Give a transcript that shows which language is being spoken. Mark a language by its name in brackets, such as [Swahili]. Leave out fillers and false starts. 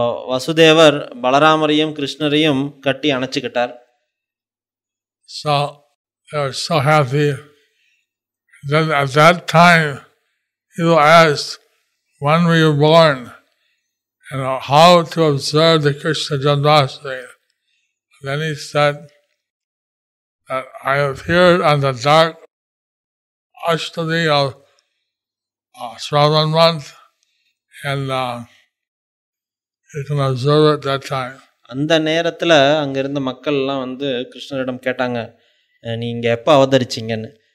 [Tamil] வசுதேவர் பலராமரையும் கிருஷ்ணரையும் கட்டி அணைச்சுக்கிட்டார். [English] So they were so happy. Then at that time he asked, when were you born? And how to observe the Krishna Janmastami. Then he said that I appeared on the dark Ashtami of Shravan month, and you can observe at that time. [Tamil] அந்த நேரத்துல அங்க இருந்த மக்கள் எல்லாம் வந்து கிருஷ்ணரிடம் கேட்டாங்க, நீங்க எப்ப அவதரிச்சீங்கன்னு.